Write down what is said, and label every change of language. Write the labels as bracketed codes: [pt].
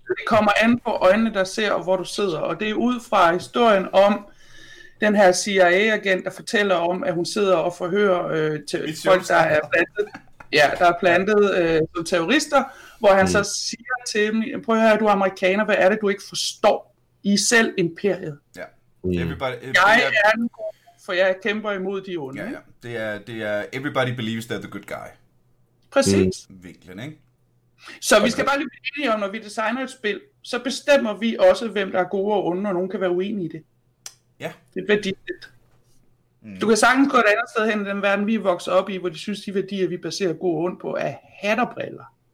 [da] Det kommer an på øjnene, der ser, og hvor du sidder. Og det er ud fra historien om den her CIA-agent, der fortæller om, at hun sidder og forhører til folk, der er plantet, som terrorister, hvor han så siger til dem, prøv at høre, du er amerikaner, hvad er det, du ikke forstår? I er selv imperiet. Ja. Jeg er den god, for jeg kæmper imod de onde. Ja, ja. Det er [en] everybody believes they're the good guy. [da] Præcis. Vinklen, ikke? Så okay. Vi skal bare lige blive enige om, når vi designer et spil, så bestemmer vi også, hvem der er gode og onde, og nogen kan være uenige i det. Ja. Det er værdigt. Du kan sagtens gå et andet sted hen i den verden, vi er vokset op i, hvor de synes, de værdier, vi baserer god og ond på, er hat og briller.